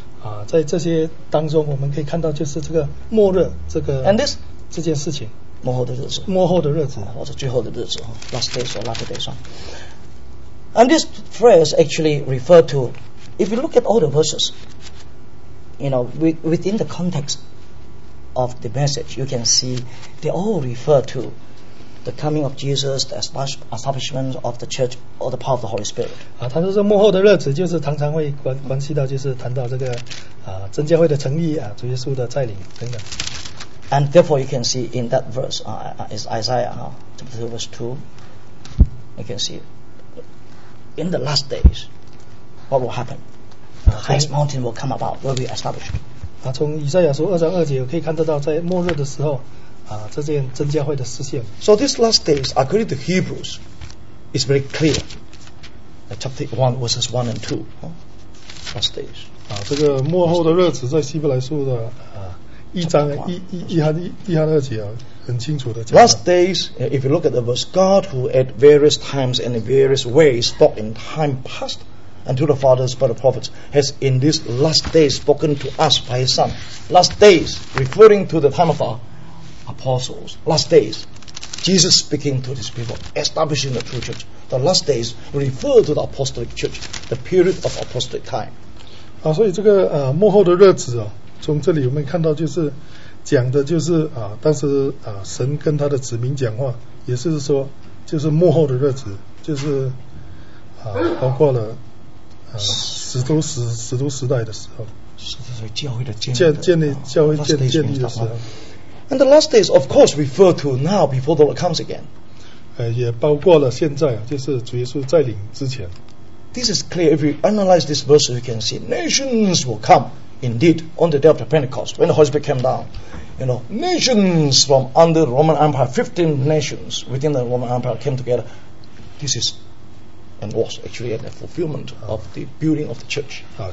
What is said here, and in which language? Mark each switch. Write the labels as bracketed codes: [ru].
[zh] 啊、在这些当中我们可以看到就是这个末日这个 [en] And this, [zh] 这件事情末后的日子末后的日子或者最后的日子 [en] last days or latter days and this phrase actually refer to if you look at all the verses you know within the context of the message you can see they all refer to the coming of Jesus the establishment of the churchor the power of the Holy Spirit [zh] 啊，他说这幕后的日子就是常常会关系到就是谈到这个啊真教会的成立啊主耶稣的再临等等 [en] and therefore you can see in that verse is Isaiah chapter 2 verse 2 you can see in the last days what will happen the highest mountain will come about will be established [zh] 啊，从以赛亚书二章二节可以看得到在末日的时候啊这件真教会的实现 [en] so these last days according to HebrewsIt's very clear. Chapter 1, verses 1 and 2. first days. [zh] 啊，这个末后的日子在希伯来书的啊一章一行二节啊，很清楚的讲。 [en] Last days, if you look at the verse, God who at various times and in various ways spoke in time past unto the fathers by the prophets, has in these last days spoken to us by His Son. Last days, referring to the time of our apostles. Last days. Jesus speaking to these people, establishing the true church. The last days refer to the apostolic church, the period of apostolic time. [zh] 啊，所以这个幕后的日子啊，从这里我们看到就是讲的就是啊，当时啊神跟他的子民讲话，也是说就是幕后的日子，就是啊包括了使徒时代的时候，教会建立的时候。 [en] And the last days, of course, refer to now before the Lord comes again. [zh] 也包括了现在，就是主耶稣再临之前。 [en] This is clear. If you analyze this verse, you can see nations will come indeed on the day of the Pentecost when the Holy Spirit came down. You know, nations from under the Roman Empire, 15 nations within the Roman Empire came together. This is and was actually a fulfillment of the building of the church.